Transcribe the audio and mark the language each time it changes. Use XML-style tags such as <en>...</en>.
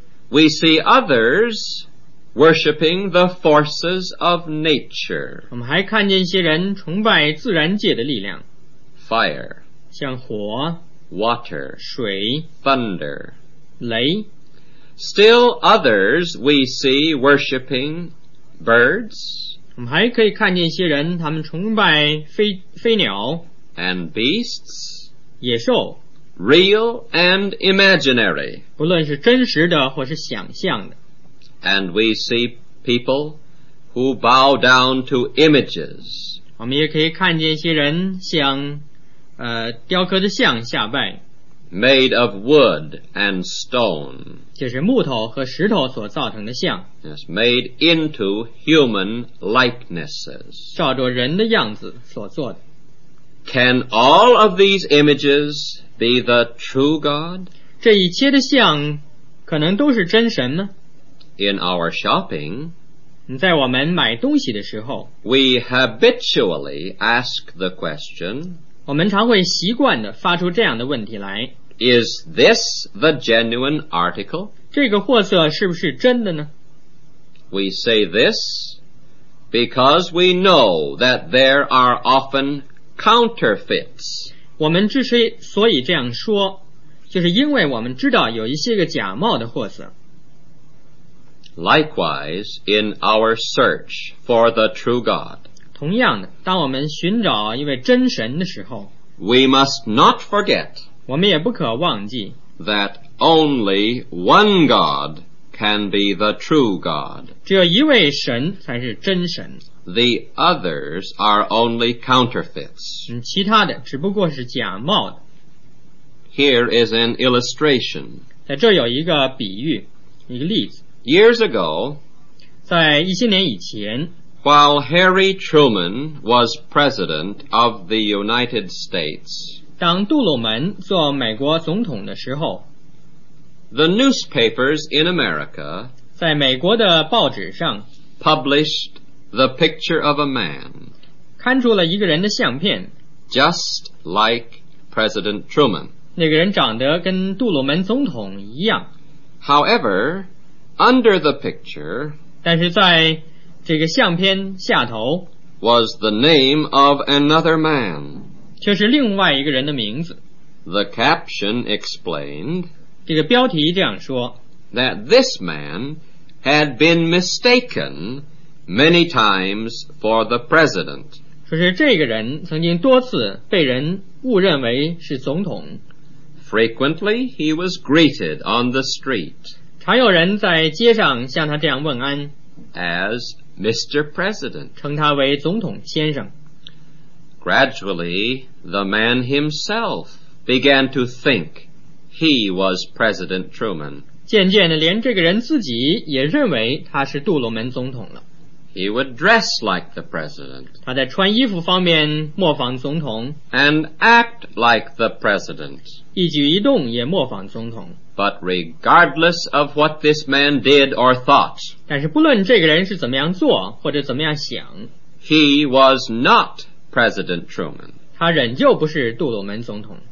<en>We see others worshipping the forces of nature,</en> <zh>我们还看见一些人崇拜自然界的力量，</zh> <en>fire,</en> <zh>像火，</zh> <en>water,</en> <zh>水，</zh> <en>thunder,</en> <zh>雷。</zh> <en>Still others we see worshipping birds,</en> <zh>我们还可以看见一些人他们崇拜 飞鸟，</zh> <en>and beasts,</en> <zh>野兽，</zh> <en>real and imaginary,</en> <zh>不论是真实的或是想象的。</zh> <en>And we see people who bow down to images,</en> <zh>我们也可以看见一些人像雕刻的像下拜，</zh> <en>made of wood and stone,</en> <zh>就是木头和石头所造成的像。</zh> <en>Yes, made into human likenesses,</en> <zh>照着人的样子所做的。</zh> <en>Can all of these images be the true God?</en> <zh>这一切的像可能都是真神吗？</zh> <en>In our shopping,</en> <zh>在我们买东西的时候，</zh> <en>we habitually ask the question,</en> <zh>我们常会习惯地发出这样的问题来，</zh> <en>Is this the genuine article?</en> <zh>这个货色是不是真的呢？</zh> <en>We say this because we know that there are often counterfeits.</en> <zh>我们之所以这样说，就是因为我们知道有一些个假冒的货色。</zh> <en>Likewise, in our search for the true God,</en> <zh>同样的，当我们寻找一位真神的时候，</zh> <en>we must not forget,</en> <zh>我们也不可忘记，</zh> <en>that only one God can be the true God.</en> <zh>只有一位神才是真神。</zh> <en>The others are only counterfeits.</en> <zh>其他的只不过是假冒的。</zh> <en>Here is an illustration.</en> <zh>在这有一个比喻，一个例子。</zh> <en>Years ago,</en> <zh>在一些年以前，</zh> <en>while Harry Truman was president of the United States,</en> <zh>当杜鲁门做美国总统的时候，</zh> <en>the newspapers in America,</en> <zh>在美国的报纸上，</zh> <en>published the picture of a man,</en> <zh>刊出了一个人的相片，</zh> <en>just like President Truman.</en> <zh>那个人长得跟杜鲁门总统一样。</zh> <en>However, under the picture,</en> <zh>但是在这个相片下头</zh> <en>was the name of another man,</en> <zh>就是另外一个人的名字。</zh> <en>The caption explained,</en> <zh>这个标题这样说，</zh> <en>that this man had been mistaken many times for the president,</en> <zh>说是这个人曾经多次被人误认为是总统。</zh> <en>Frequently, he was greeted on the street.</en> <zh>常有人在街上向他这样问安。</zh> <en>As Mr. President.</en> <zh>称他为总统先生。</zh> <en>Gradually, the man himself began to think he was President Truman.</en> <zh>渐渐的，连这个人自己也认为他是杜鲁门总统了。</zh> <en>He would dress like the President.</en> <zh>他在穿衣服方面模仿总统。</zh> <en>And act like the President.</en> <zh>一举一动也模仿总统。</zh> <en>But regardless of what this man did or thought,</en> <zh>但是不论这个人是怎么样做或者怎么样想，</zh> <en>he was not President Truman.</en> <zh>他仍旧不是杜鲁门总统。</zh>